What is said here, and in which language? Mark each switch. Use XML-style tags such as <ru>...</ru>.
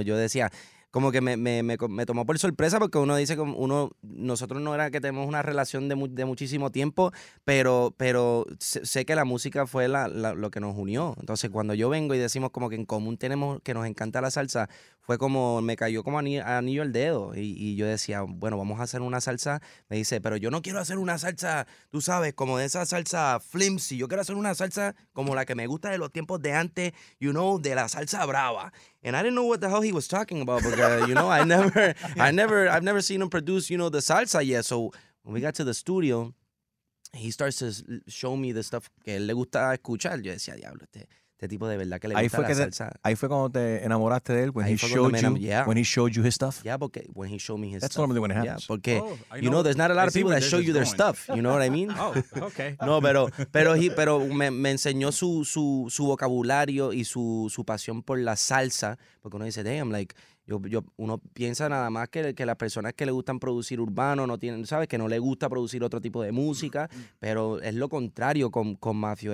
<es>Yo decía, como que me tomó por sorpresa, porque uno dice, nosotros no era que tenemos una relación de muchísimo tiempo, pero sé que la música fue lo que nos unió. Entonces, cuando yo vengo y decimos como que en común tenemos que nos encanta la salsa, fue como, me cayó como anillo al dedo. Y yo decía, bueno, vamos a hacer una salsa. Me dice, pero yo no quiero hacer una salsa, tú sabes, como de esa salsa flimsy. Yo quiero hacer una salsa como la que me gusta de los tiempos de antes,</es> <en>you know,</en> <es>de la salsa brava.</es> <en>And I didn't know what the hell he was talking about, because, you know, I've never seen him produce, you know, the salsa yet. So when we got to the studio, he starts to show me the stuff</en> <es>que él le gusta escuchar. Yo decía, diablo, este tipo de verdad que le gusta la salsa. Ahí fue cuando te enamoraste de él,</es> <en>when he showed you his stuff. Yeah,</en> <es>porque</es> <en>when he showed me his stuff. That's normally when it happens. Yeah,</en> <es>porque,</es> <en>you know, there's not a lot of people that show you their stuff. You know what I mean? Oh, okay.</en> <es>No, pero me enseñó su vocabulario y su pasión por la salsa. Porque uno dice,</es> <en>damn, like,</en> <es>uno piensa nada más que las personas que le gustan producir urbano no tienen, ¿sabes? Que no le gusta producir otro tipo de música, pero es lo contrario con Mafio.</es>